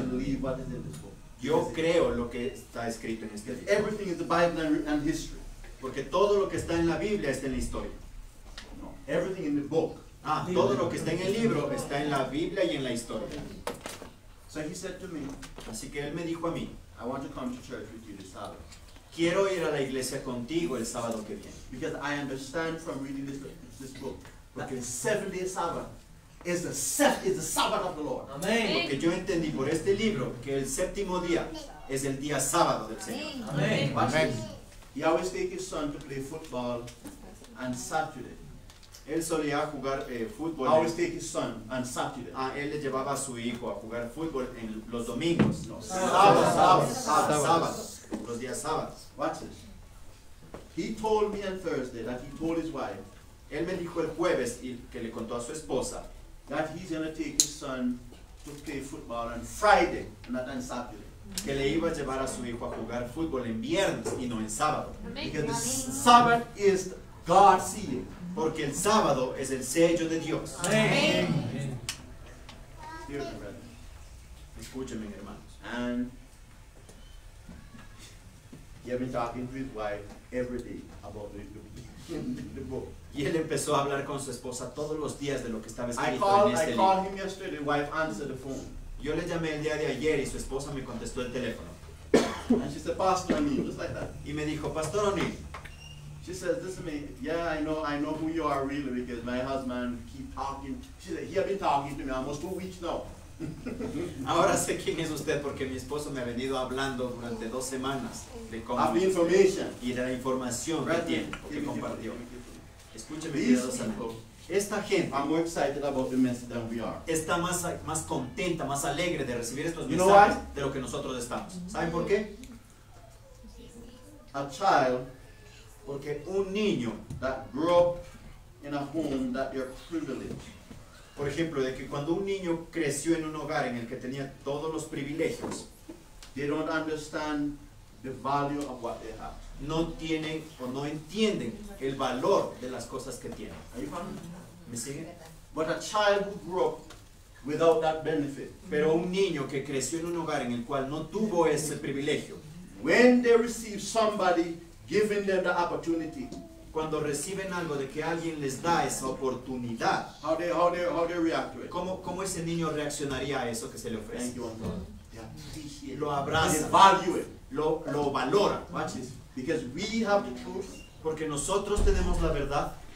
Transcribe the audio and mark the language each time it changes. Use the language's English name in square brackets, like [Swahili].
[English] I believe what is in this book." [Spanish] Yo creo lo que está escrito en este libro. [English] Everything is the Bible and history. [Spanish] Porque todo lo que está en la Biblia está en la historia. [English] No. Everything in the book. [Spanish] Ah, todo lo que está en el libro está en la Biblia y en la historia. [English] So he said to me, [Spanish] así que él me dijo a mí, [English] "I want to come to church with you this Sabbath." [Spanish] Quiero ir a la iglesia contigo el sábado que viene. [English] Because I understand from reading this book. [Spanish] Porque [English] el seventh day Sabbath is the Sabbath of the Lord. [Spanish] Amén. Porque yo entendí por este libro que el séptimo día es el día sábado del Señor. Amén. Amén. [English] He always take his son to play football on Saturday. [Spanish] Él solía jugar fútbol. [English] Always take his son on Saturday. [Spanish] Ah, él le llevaba a su hijo a jugar fútbol en los domingos. No, sábados. Los días sábados. [English] Watch this. He told me on Thursday that he told his wife. [Spanish] Él me dijo el jueves y que le contó a su esposa. [English] That he's going to take his son to play football on Friday, not on Saturday. [Spanish] Que le iba a llevar a su hijo a jugar fútbol en viernes y no en sábado. [English] Because the Sabbath is God's seal. [Spanish] Porque el sábado es el sello de Dios. Amén. Escúchenme, hermanos. [English] And he had been talking to his wife every day about the book. [Spanish] Y él empezó a hablar con su esposa todos los días de lo que estaba escrito en este libro. [English] I called him yesterday. His wife answered the phone. [Spanish] Yo le llamé el día de ayer y su esposa me contestó el teléfono. [English] And she said, "Pastor O'Neill," just like that. [Spanish] Y me dijo, "Pastor O'Neill." [English] She says, listen to me, yeah, I know who you are really, because my husband keep talking. She said, he has been talking to me almost 2 weeks now. [Spanish] Ahora sé quién es usted porque mi esposo me ha venido hablando durante 2 semanas de cómo [English] have [Spanish] usted, [English] information. [Spanish] Y de la información right que tiene, que compartió. Escúcheme, cuidadosamente. Esta gente [English] I'm more excited about the message than we are. [Spanish] Está más contenta, más alegre de recibir estos mensajes de lo que nosotros estamos. ¿Saben por qué? [English] A child, [Spanish] porque un niño [English] that grew up in a home that you're privileged. [Spanish] Por ejemplo, de que cuando un niño creció en un hogar en el que tenía todos los privilegios, [English] they don't understand the value of what they have. [Spanish] No tienen o no entienden el valor de las cosas que tienen. [English] Are you fine? [Spanish] ¿Me siguen? [English] But a child who grew up without that benefit. [Spanish] Pero un niño que creció en un hogar en el cual no tuvo ese privilegio. [English] When they receive somebody giving them the opportunity. [Spanish] Cuando reciben algo de que alguien les da esa oportunidad. [English] How they react to it. [Spanish] ¿Cómo ese niño reaccionaría a eso que se le ofrece? [English] Thank you, Uncle. [Spanish] Lo abraza. [English] They value it. [Spanish] Lo valora. [English] Watch this. Because we have the truth. [Spanish] Porque nosotros tenemos la verdad.